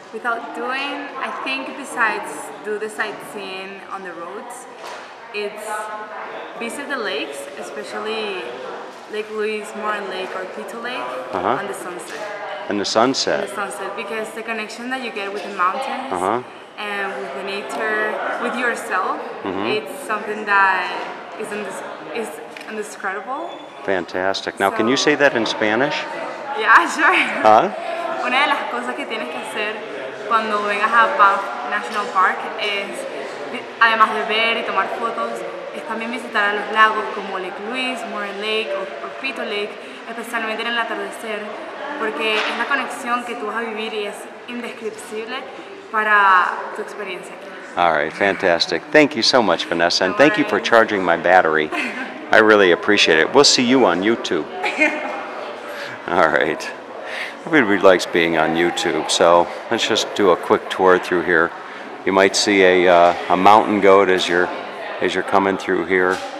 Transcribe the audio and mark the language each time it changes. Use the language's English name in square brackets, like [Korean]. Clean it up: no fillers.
[English] Without doing, I think besides do the sightseeing on the roads, it's visit the lakes, especially Lake Louise, Moraine Lake, or Quito Lake, and the sunset. And the sunset? And the sunset, because the connection that you get with the mountains, and with the nature, with yourself, it's something that is indescribable. Fantastic. Now, can you say that in Spanish? Yeah, sure. Huh? [Spanish] Una de las cosas que tienes que hacer cuando vengas a Banff National Park es, además de ver y tomar fotos, es también visitar a los lagos como Lake Louise, Moraine Lake o Quito Lake, especialmente en el atardecer, porque es la conexión que tú vas a vivir y es indescriptible para tu experiencia. [English] All right, fantastic. Thank you so much, Vanessa, and thank you for charging my battery. I really appreciate it. We'll see you on YouTube. All right. Everybody likes being on YouTube, so let's just do a quick tour through here. You might see a mountain goat as you're coming through here.